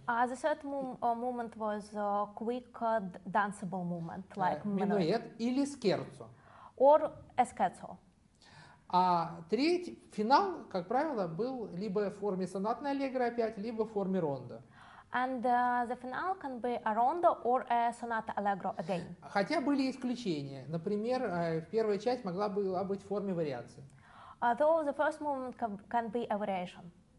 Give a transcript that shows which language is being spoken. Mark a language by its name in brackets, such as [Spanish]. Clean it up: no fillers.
[English] The third movement was a quick danceable movement, like [Russian] minuet. Или scherzo. [English] Or a scherzo. [Russian] А третий, финал, как правило, был либо в форме сонатной аллегро опять, либо в форме рондо. [English] And the final can be a rondo or a sonata allegro again. [Russian] Хотя были исключения. Например, первая часть могла быть в форме вариации. [English] Though the first movement can be a variation.